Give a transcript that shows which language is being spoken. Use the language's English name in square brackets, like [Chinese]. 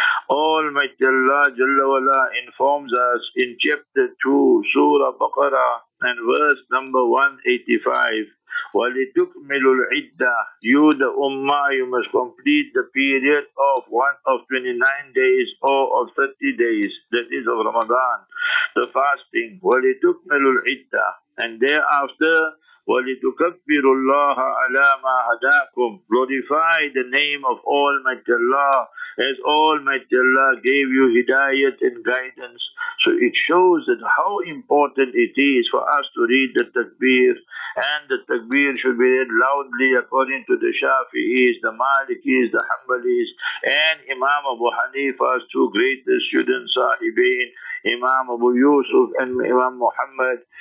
[English] Almighty Allah Jalla Wala informs us in chapter 2, Surah Baqarah and verse number 185. [Arabic] وَلِتُكْمِلُ الْعِدَّةِ. [English] You the Ummah, you must complete the period of 29 days or of 30 days, that is of Ramadan. The fasting, وَلِتُكْمِلُ الْعِدَّةِ. And thereafter, وَلِتُكَبِّرُ اللَّهَ عَلَى مَا هَدَاكُمْ. Glorify the name of Almighty Allah, as Almighty Allah gave you hidayat and guidance. So it shows that how important it is for us to read the takbir. And the takbir should be read loudly according to the Shafi'is, the Malikis, the Hanbalis, and Imam Abu Hanifa's two greatest students, Sahibin, Imam Abu Yusuf and Imam Muhammad.